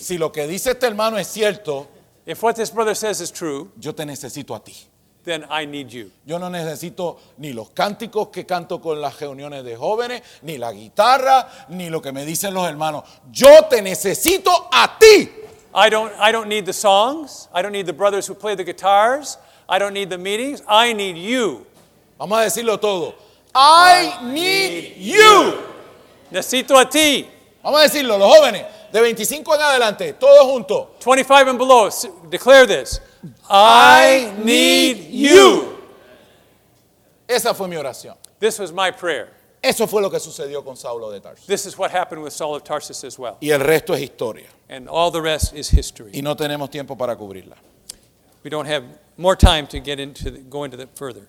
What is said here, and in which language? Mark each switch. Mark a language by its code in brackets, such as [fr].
[es] Si lo que dice este hermano es cierto, [en] if what this brother says is true, [es] yo te necesito a ti. [en] Then I need you. [es] Yo no necesito ni los cánticos que canto con las reuniones de jóvenes, ni la guitarra, ni lo que me dicen los hermanos. Yo te necesito a ti. [en] I don't need the songs. I don't need the brothers who play the guitars. I don't need the meetings. I need you. [es] Vamos a decirlo todo. [en] I need you. [es] Necesito a ti. Vamos a decirlo, los jóvenes, de 25 en adelante, todos juntos. [en] 25 and below, declare this. I need you. [es] Esa fue mi oración. [en] This was my prayer. [es] Eso fue lo que sucedió con Saulo de Tarso. [en] This is what happened with Saul of Tarsus as well. [es] Y el resto es historia. [en] And all the rest is history. [es] Y no tenemos tiempo para cubrirla. [en] We don't have more time to get into the, go into that further.